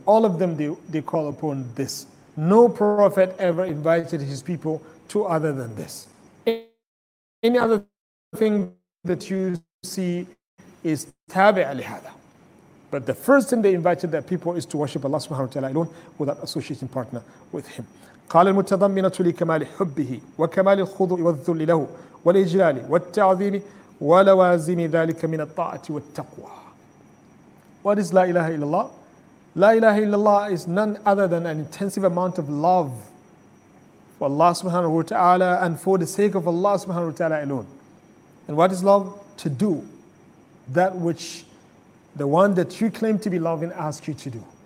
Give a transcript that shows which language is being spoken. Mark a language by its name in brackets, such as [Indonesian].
[English] All of them, they call upon this. No prophet ever invited his people to other than this. Any other thing that you see is tabi' al-hada. But the first thing they invited their people is to worship Allah subhanahu wa ta'ala alone without associating partner with him. [Arabic] قال المتضمنة لكمال حبه وكمال الخضوع والذل له والإجلال والتعظيم ولوازم ذلك من الطاعة والتقوى. [English] What is La ilaha illallah? La ilaha illallah is none other than an intensive amount of love for Allah subhanahu wa ta'ala and for the sake of Allah subhanahu wa ta'ala alone. And what is love? To do that which the one that you claim to be loving asks you to do.